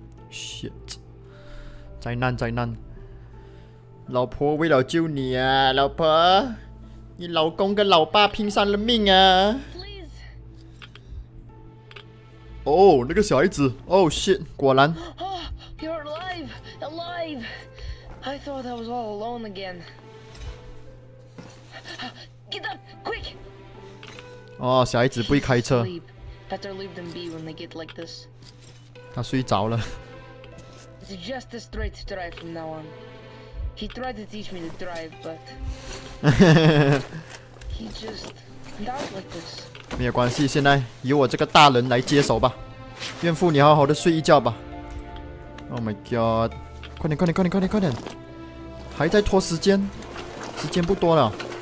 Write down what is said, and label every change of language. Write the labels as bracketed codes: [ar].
[en] Shit! [zh] 灾难灾难，老婆为了救你啊，老婆，你老公跟老爸拼上了命啊！哦、oh, ，那个小孩子 ， [en] Oh shit， [zh] 果然。 [en] Oh, you're alive, alive. I thought I was all alone again. Get up, quick. [zh] 哦、oh, ，小孩子不会开车。 [en] Better leave them be when they get like this. [zh] 他睡着了。 [en] It's just a straight drive from now on. He tried to teach me to drive, but he just died like this. [zh] 没有关系，现在由我这个大人来接手吧。孕妇，你好好的睡一觉吧。 [en] Oh my god！ [zh] 快点，快点，快点，快点，快点！还在拖时间，时间不多了。